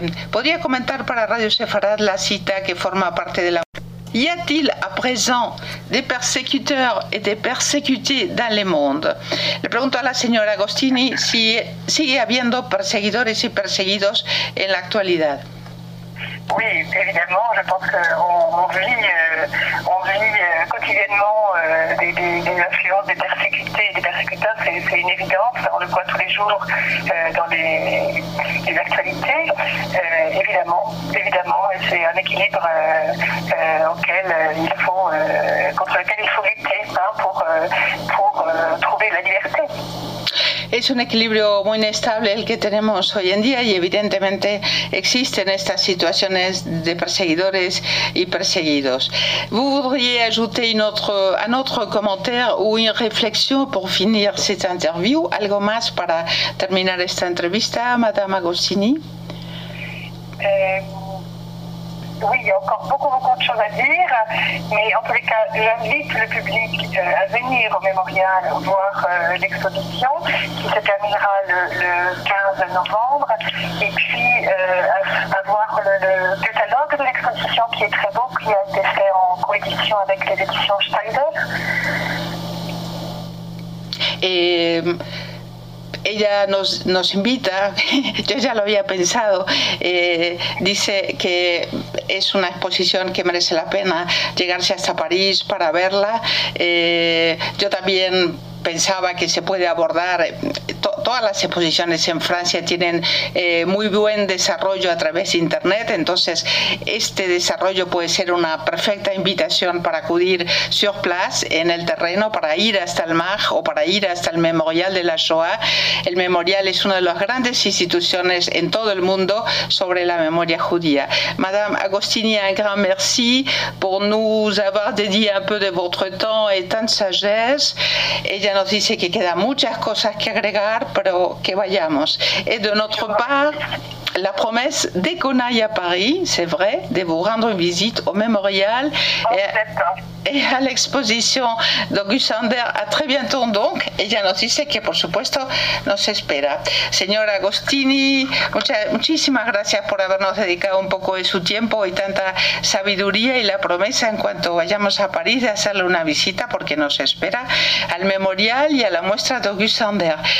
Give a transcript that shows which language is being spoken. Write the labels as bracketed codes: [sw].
[es] ¿Podría comentar para Radio Sefarad la cita que forma parte de la... [fr] Y a-t-il à présent des persécuteurs et des persécutés dans le monde? [es] Le pregunto a la señora Agostini si sigue habiendo perseguidores y perseguidos en la actualidad. [fr] Oui, évidemment, je pense qu'on vit quotidiennement des influences, des persécutés, des persécuteurs, c'est une évidence, on le voit tous les jours dans les actualités, évidemment, et c'est un équilibre auquel il faut, contre lequel il faut lutter, hein, pour trouver la liberté. [es] Es un equilibrio muy inestable el que tenemos hoy en día y evidentemente existen estas situaciones de perseguidores y perseguidos. [fr] ¿Vous voudriez ajouter un autre commentaire ou une réflexion pour finir cette interview? [es] ¿Algo más para terminar esta entrevista, Madame Agostini? [fr] Oui, il y a encore beaucoup de choses à dire, mais en tous les cas, j'invite le public à venir au mémorial voir l'exposition qui se terminera le 15 novembre, et puis à voir le catalogue de l'exposition qui est très beau, qui a été fait en coédition avec les éditions Steiner. [es] Ella nos invita, yo ya lo había pensado, dice que es una exposición que merece la pena llegarse hasta París para verla. Yo también pensaba que se puede abordar todas las exposiciones en Francia tienen muy buen desarrollo a través de internet, entonces este desarrollo puede ser una perfecta invitación para acudir [fr] sur place, [es] en el terreno, para ir hasta el mar o para ir hasta el Memorial de la Shoah. El Memorial es una de las grandes instituciones en todo el mundo sobre la memoria judía. [fr] Madame Agostini, un grand merci pour nous avoir dédié un peu de votre temps et tanta sagesse. [es] Ella nos dice que quedan muchas cosas que agregar, pero que vayamos. [fr] Et de notre part, la promesse, dès qu'on aille à Paris, c'est vrai, de vous rendre visite au Memorial et à l'exposition d'August Sander. A très bientôt donc. [es] Ella nos dice que, por supuesto, nos espera. Señora Agostini, muchísimas gracias por habernos dedicado un poco de su tiempo y tanta sabiduría, y la promesa, en cuanto vayamos a París, de hacerle una visita, porque nos espera, al Memorial y a la muestra d'August Sander.